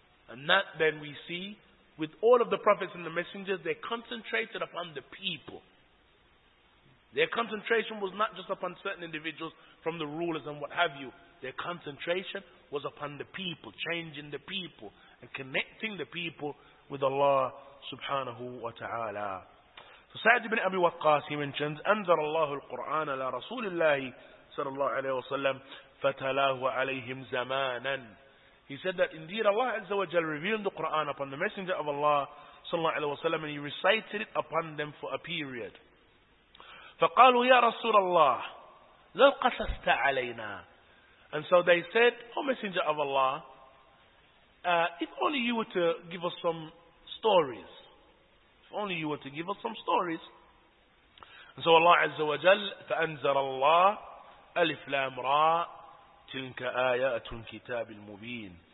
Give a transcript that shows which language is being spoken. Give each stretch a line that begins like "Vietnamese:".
English: And that then we see with all of the prophets and the messengers, they concentrated upon the people. Their concentration was not just upon certain individuals from the rulers and what have you. Their concentration was upon the people, changing the people and connecting the people with Allah subhanahu wa ta'ala. So Sa'd ibn Abi Waqqas, he mentions,
Arabic: أنذر الله القرآن على رسول الله صلى الله عليه وسلم فتلاه عليهم زمانا.
English: He said that indeed Allah Azza wa Jal revealed the Quran upon the Messenger of Allah sallallahu alayhi wa sallam, and he recited it upon them for a period.
Arabic: فقالوا يا رسول الله لو قصصت علينا.
English: And so they said, O Messenger of Allah, if only you were to give us some stories. If only you were to give us some stories. And so Allah Azza wa Jal,
Arabic: فأنزل الله ألف لام راء تلك آيات كتاب المبين.